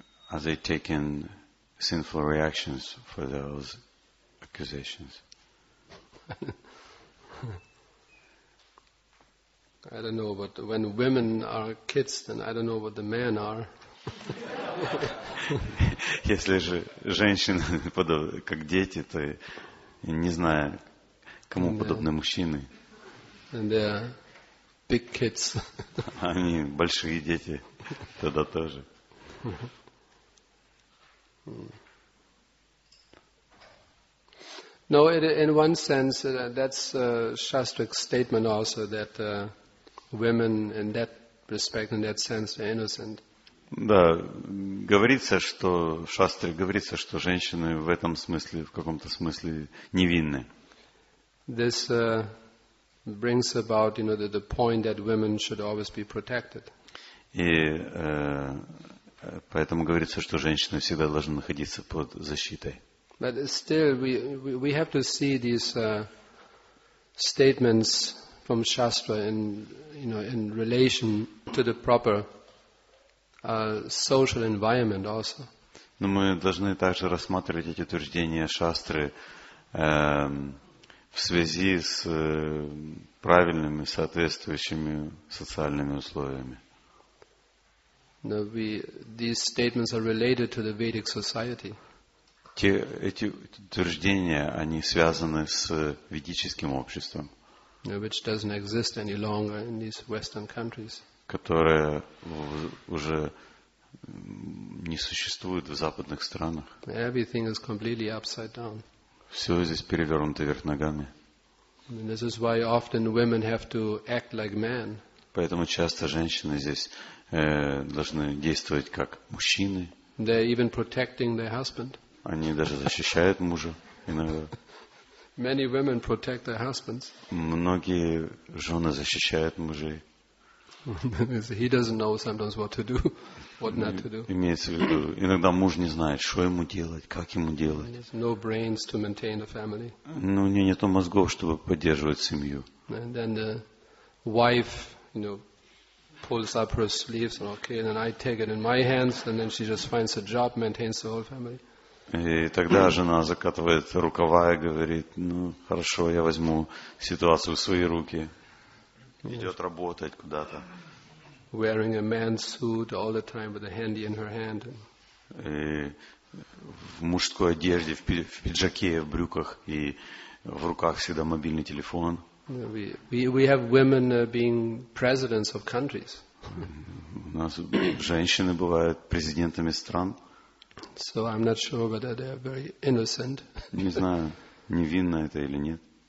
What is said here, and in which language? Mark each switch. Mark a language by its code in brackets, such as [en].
[en] Are they taking sinful reactions for those accusations? I don't know, but when women are kids, then I don't know what the men are. [ru] Если же женщины как дети, то не знаю, кому подобны мужчины. [en] And they are big kids. [ru] Они большие дети. Тогда тоже. [en] No, in one sense, that's a Shastric statement also, that women in that respect in that sense they're innocent. [ru] Да, говорится, что в шастре говорится, что женщины в этом смысле, в каком-то смысле невинны. [en] This brings about, you know, the point that women should always be protected. [ru] И поэтому говорится, что женщина всегда должна находиться под защитой. [en] But still, we have to see these statements from Shastra in, you know, in relation to the proper social environment also. [ru] Но мы должны также рассматривать эти утверждения Шастры в связи с правильными, соответствующими социальными условиями. [en] These statements are related to the Vedic society. [ru] Эти утверждения, они связаны с ведическим обществом, [en] which doesn't exist any longer in these Western countries. [ru] Которое уже не существует в западных странах. [en] Everything is completely upside down. [ru] Все здесь перевернуто вверх ногами. [en] And this is why often women have to act like men. [ru] Поэтому часто женщины здесь должны действовать как мужчины. [en] They're even protecting their husband. [ru] Они даже защищают мужа иногда. [en] Many women protect their husbands. [ru] Многие жены защищают мужей. [en] He doesn't know sometimes what to do, what not to do. [ru] Имеется в виду, иногда муж не знает, что ему делать, как ему делать. [en] He has no brains to maintain a family. [ru] Ну, у него нет мозгов, чтобы поддерживать семью. [en] And then the wife, you know, pulls up her sleeves and okay, and then I take it in my hands, and then she just finds a job, maintains the whole family. [ru] И тогда жена закатывает рукава и говорит: ну хорошо, я возьму ситуацию в свои руки. Идет работать куда-то. [en] Wearing a man's suit all the time with a handy in her hand. [ru] И в мужской одежде, в пиджаке, в брюках и в руках всегда мобильный телефон. [en] We have women being presidents of countries. [ru] У нас женщины бывают президентами стран. [en] So I'm not sure whether they are very innocent. [ru] Не знаю, невинно это или нет.